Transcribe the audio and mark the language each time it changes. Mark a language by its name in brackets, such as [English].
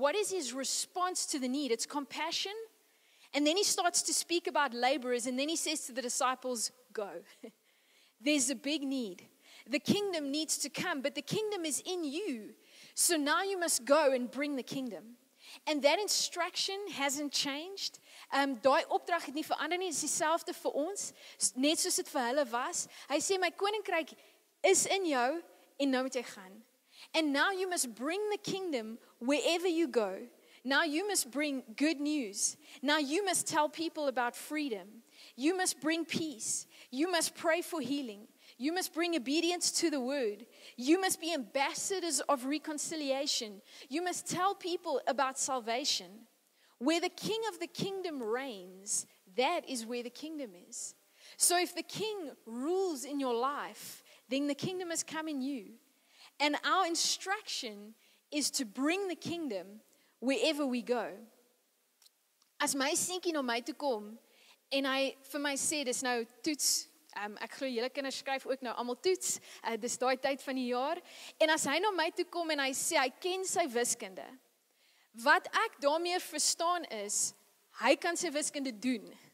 [English] What is his response to the need? It's compassion. And then he starts to speak about laborers. And then he says to the disciples, go. There's a big need. The kingdom needs to come, but the kingdom is in you. So now you must go and bring the kingdom. And that instruction hasn't changed. [Afrikaans] Daai opdrag het nie verander nie. Dis dieselfde vir ons, net soos dit vir hulle was. Hy sê, my koninkryk is in jou en nou moet jy gaan. [English] And now you must bring the kingdom wherever you go. Now you must bring good news. Now you must tell people about freedom. You must bring peace. You must pray for healing. You must bring obedience to the word. You must be ambassadors of reconciliation. You must tell people about salvation. Where the king of the kingdom reigns, that is where the kingdom is. So if the king rules in your life, then the kingdom has come in you. And our instruction is to bring the kingdom wherever we go. [Afrikaans] As my sinkie na my toe kom, en hy vir my sê, dis nou toets, ek glo julle kinders skryf ook nou allemaal toets, dis daai tyd van die jaar, en as hy na my toe kom en hy sê, hy ken sy wiskunde, wat ek daarmee verstaan is, hy kan sy wiskunde doen.